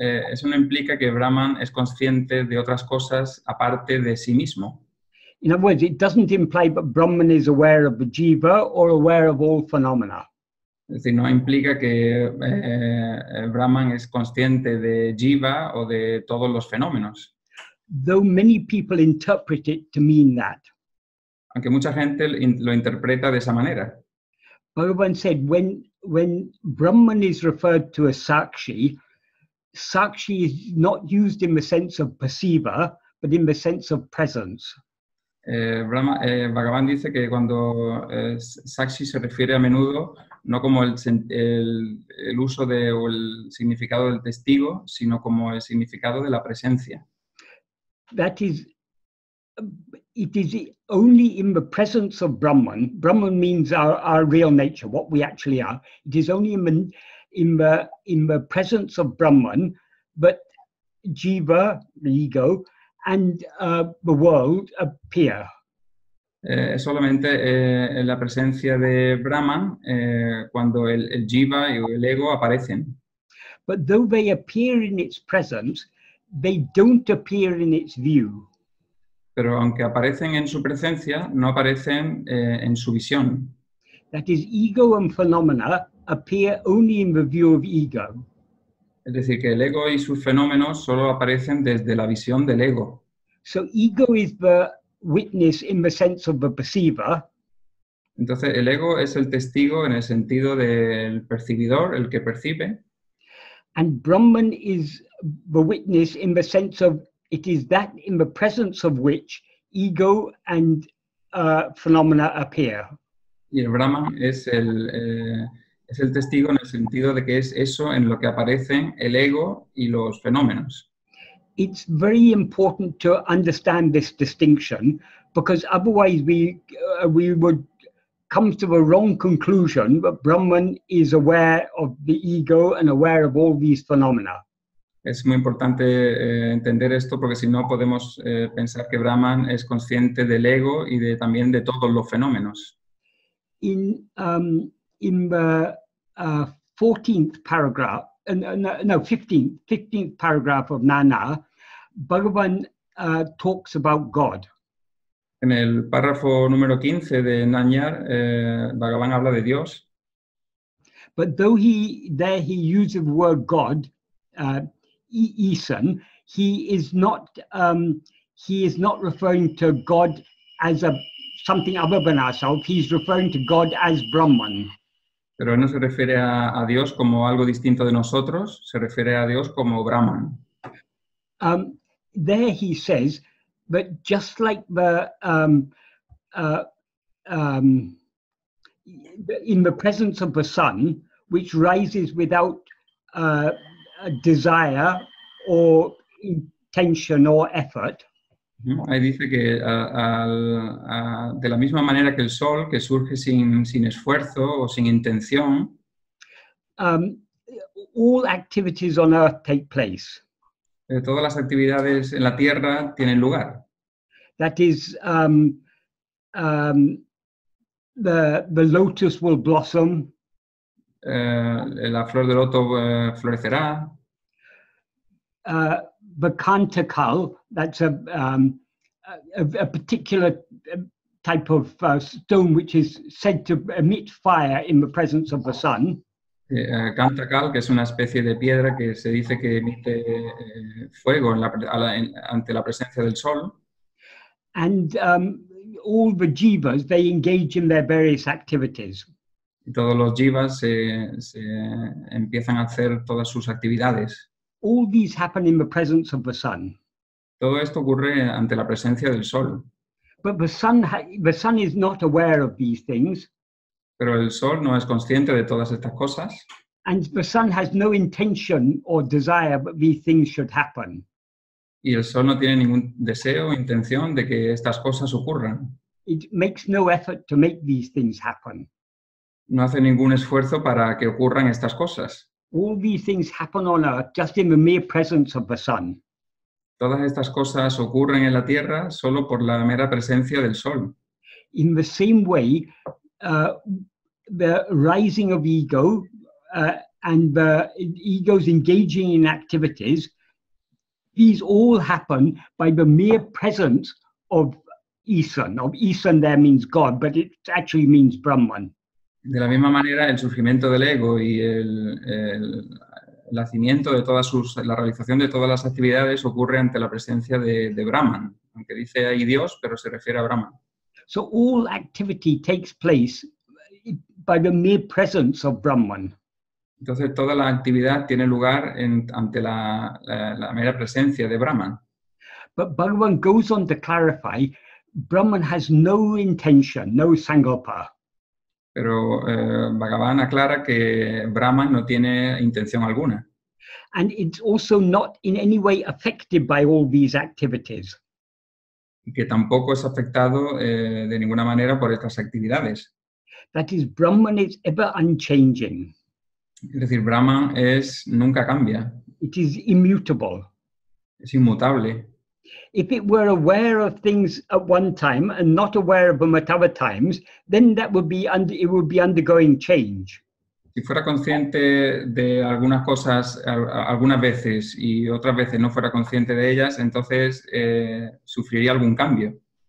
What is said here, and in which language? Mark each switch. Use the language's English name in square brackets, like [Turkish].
[Spanish] Eso no implica que Brahman es consciente de otras cosas aparte de sí mismo. [English] In other words, it doesn't imply that Brahman is aware of the jiva or aware of all phenomena. [Spanish] Es decir, no implica que Brahman es consciente de jiva o de todos los fenómenos. [English] Though many people interpret it to mean that. [Spanish] Aunque mucha gente lo interpreta de esa manera. [English] Bhagavan said when Brahman is referred to as sakshi, sakshi is not used in the sense of perceiver, but in the sense of presence. [Spanish] Bhagavan dice que cuando sakshi se refiere a menudo, no como el uso de o el significado del testigo, sino como el significado de la presencia. [English] That is, it is only in the presence of Brahman. Brahman means our real nature, what we actually are. It is only in the presence of Brahman that jiva, the ego, and the world appear. [Spanish] Es solamente en la presencia de Brahman cuando el jiva y el ego aparecen. [English] But though they appear in its presence, they don't appear in its view. [Spanish] Pero aunque aparecen en su presencia, no aparecen en su visión. [English] That is, ego and phenomena appear only in the view of ego. [Spanish] Es decir, que el ego y sus fenómenos solo aparecen desde la visión del ego. [English] So ego is the witness in the sense of the perceiver. [Spanish] Entonces el ego es el testigo en el sentido del percibidor, el que percibe. [English] And Brahman is the witness in the sense of it is that in the presence of which ego and phenomena appear. [Spanish] Y el Brahman es el testigo en el sentido de que es eso en lo que aparecen el ego y los fenómenos. [English] It's very important to understand this distinction because otherwise we would come to the wrong conclusion that Brahman is aware of the ego and aware of all these phenomena. [Spanish] Es muy importante entender esto porque si no podemos pensar que Brahman es consciente del ego y de también de todos los fenómenos. [English] In the 15th paragraph of Nana, Bhagavan talks about God. [Spanish] En el párrafo número 15 de Nanyar, Bhagavan habla de Dios. [English] But though he uses the word God, Isan, he is not referring to God as a something other than ourselves. He's referring to God as Brahman. [Spanish] Pero no se refiere a Dios como algo distinto de nosotros. Se refiere a Dios como Brahman. [English] There he says, but just like in the presence of the sun, which rises without desire or intention or effort. [Spanish] Ahí dice que de la misma manera que el sol, que surge sin esfuerzo o sin intención, [English] all activities on earth take place. [Spanish] Todas las actividades en la tierra tienen lugar. [English] That is, the lotus will blossom. [Spanish] La flor de loto florecerá. [English] The kantakal, that's a particular type of stone which is said to emit fire in the presence of the sun. [Spanish] Kantakal, que es una especie de piedra que se dice que emite fuego ante la presencia del sol. [English] And all the jivas, they engage in their various activities. [Spanish] Todos los jivas se empiezan a hacer todas sus actividades. [English] All these happen in the presence of the sun. [Spanish] Todo esto ocurre ante la presencia del sol. [English] But the sun is not aware of these things. [Spanish] Pero el sol no es consciente de todas estas cosas. [English] And the sun has no intention or desire that these things should happen. [Spanish] Y el sol no tiene ningún deseo o intención de que estas cosas ocurran. [English] It makes no effort to make these things happen. [Spanish] No hace ningún esfuerzo para que ocurran estas cosas. [English] All these things happen on earth just in the mere presence of the sun. [Spanish] Todas estas cosas ocurren en la tierra solo por la mera presencia del sol. [English] In the same way, the rising of ego and the ego's engaging in activities, these all happen by the mere presence of Isan. Of Isan there means God, but it actually means Brahman. [Spanish] De la misma manera, el surgimiento del ego y el nacimiento de todas sus, la realización de todas las actividades ocurre ante la presencia de Brahman, aunque dice ahí Dios, pero se refiere a Brahman. [English] So all activity takes place by the mere presence of Brahman. [Spanish] Entonces toda la actividad tiene lugar ante la mera presencia de Brahman. [English] But Bhagavan goes on to clarify, Brahman has no intention, no sangalpa. [Spanish] Pero Bhagavan aclara que Brahman no tiene intención alguna. [English] And it's also not in any way affected by all these activities. [Spanish] Y que tampoco es afectado de ninguna manera por estas actividades. [English] That is, Brahman is ever unchanging. [Spanish] Es decir, Brahman es nunca cambia. [English] It is immutable. [Spanish] Es inmutable. [English] If it were aware of things at one time and not aware of them at other times, then that would be it would be undergoing change. [Spanish] Si fuera consciente de algunas cosas algunas veces y otras veces no fuera consciente de ellas, entonces sufriría algún cambio.